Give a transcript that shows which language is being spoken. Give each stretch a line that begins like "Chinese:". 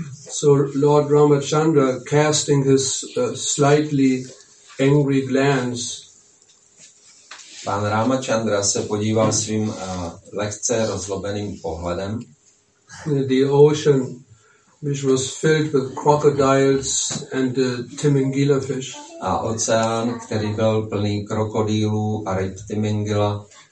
English: So Lord Ramachandra, casting his slightly angry glance,
Czech: pan Ramachandra se podíval svým lehce rozlobeným pohledem.
English: The ocean, which was filled with crocodiles and Timingila fish.
Czech: A oceán, který byl plný krokodýlů a ryb Timingila,